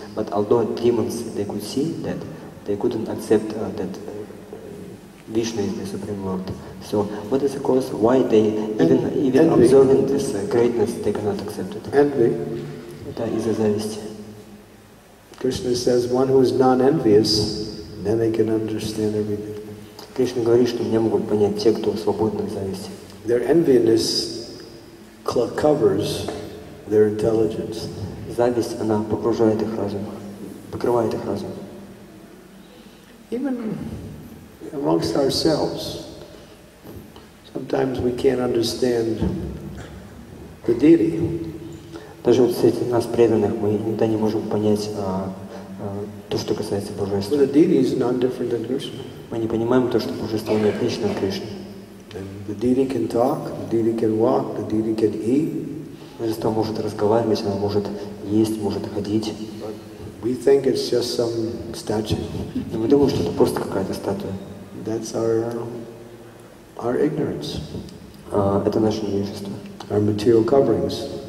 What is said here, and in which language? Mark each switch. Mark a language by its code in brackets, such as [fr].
[en] But although demons, they could see that, they couldn't accept that Vishnu is the Supreme Lord. So what is the cause? Why they, even envy. Observing this greatness, they cannot accept it? Envy. That is a zavist. Krishna says, one who is non-envious, then they can understand everything. [ru] Кришна говорит, что не могут понять те, кто свободны от зависти. [en] Their enviousness covers their intelligence. [ru] Зависть, она погружает их разум, покрывает их разум. [en] Even amongst ourselves, sometimes we can't understand the deity. [ru] Даже вот среди нас преданных мы иногда не можем понять то, что касается Божества. [en] The deity is not different than Krishna. [ru] Мы не понимаем то, что Божество не отлично от Кришны. [en] The deity can talk, the deity can walk, the deity can eat. [ru] Божество может разговаривать, оно может есть, может ходить. [en] But we think it's just some statue. [ru] Но мы думаем, что это просто какая-то статуя. [en] That's our ignorance. [ru] Это наше невежество. [en] Our material coverings.